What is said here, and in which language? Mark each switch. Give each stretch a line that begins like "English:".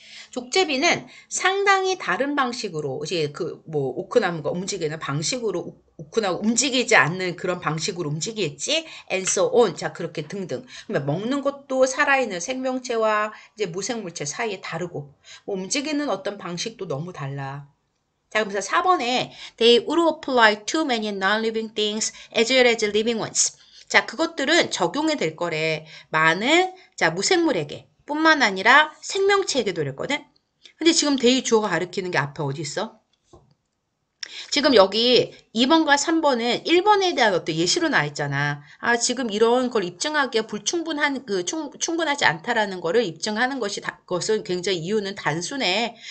Korean: 족제비는 상당히 다른 방식으로, 이제 그, 뭐, 오크나무가 움직이는 방식으로, 오크나무 움직이지 않는 그런 방식으로 움직이겠지?
English: And so on.
Korean: 자, 그렇게 등등. 그러니까 먹는 것도 살아있는 생명체와 이제 무생물체 사이에 다르고, 뭐 움직이는 어떤 방식도 너무 달라. 자, 그래서 4번에,
English: they would apply to many non-living things as well as living ones.
Korean: 자, 그것들은 적용이 될 거래. 많은, 자, 무생물에게. 뿐만 아니라 생명체에게도 그랬거든? 근데 지금 대의 주어가 가리키는 게 앞에 어디 있어? 지금 여기 2번과 3번은 1번에 대한 어떤 예시로 나와 있잖아. 아, 지금 이런 걸 입증하기에 불충분한, 충분하지 않다라는 거를 입증하는 것은 굉장히 이유는 단순해.